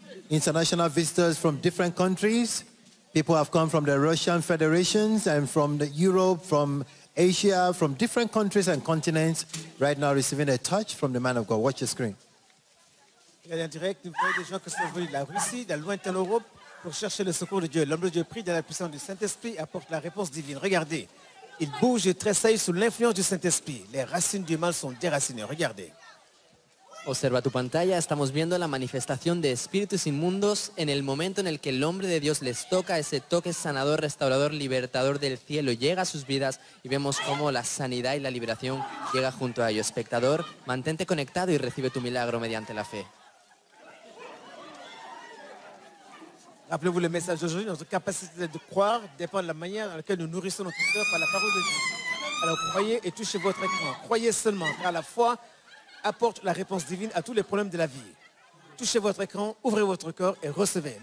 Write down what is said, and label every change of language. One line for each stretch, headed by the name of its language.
English: International visitors from different countries. People have come from the Russian Federations and from the Europe, from Asia, from different countries and continents, right now receiving a touch from the man of God. Watch your screen.
French: Il y a un direct, nous voyons des gens qui sont venus de la Russie, de la lointaine Europe, pour chercher le secours de Dieu. L'homme de Dieu prie dans la puissance du Saint-Esprit et apporte la réponse divine. Regardez, il bouge et tressaille sous l'influence du Saint-Esprit. Les racines du mal sont déracinées. Regardez.
Spanish: Observa tu pantalla, estamos viendo la manifestación de espíritus inmundos en el momento en el que el hombre de Dios les toca, ese toque sanador, restaurador, libertador del cielo llega a sus vidas y vemos cómo la sanidad y la liberación llega junto a ellos. Espectador, mantente conectado y recibe tu milagro mediante la fe.
French: Rappelez-vous le message d'aujourd'hui, notre capacité de croire dépend de la manière dans laquelle nous nourrissons notre cœur par la parole de Dieu. Alors croyez et touchez votre écran. Croyez seulement, car la foi apporte la réponse divine à tous les problèmes de la vie. Touchez votre écran, ouvrez votre corps et recevez.